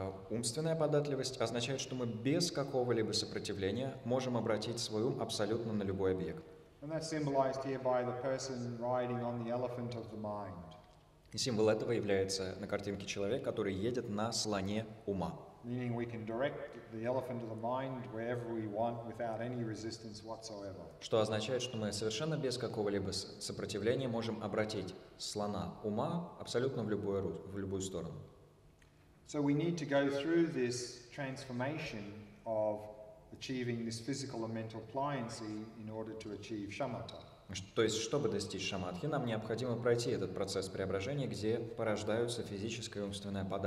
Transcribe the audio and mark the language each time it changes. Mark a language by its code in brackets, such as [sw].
[ru] Умственная податливость означает, что мы без какого-либо сопротивления можем обратить свой ум абсолютно на любой объект. [en] And that's symbolized here by the person riding on the elephant of the mind. [ru] И символ этого является на картинке человек, который едет на слоне ума. [en] Meaning we can direct the elephant of the mind wherever we want without any resistance whatsoever. [ru] Что означает, что мы совершенно без какого-либо сопротивления можем обратить слона ума абсолютно в любую сторону. [en] So we need to go through this transformation of achieving this physical and mental pliancy in order to achieve shamatha. [ru] То есть, чтобы достичь шаматхи, нам необходимо пройти этот процесс преображения, где порождаются физическая и умственная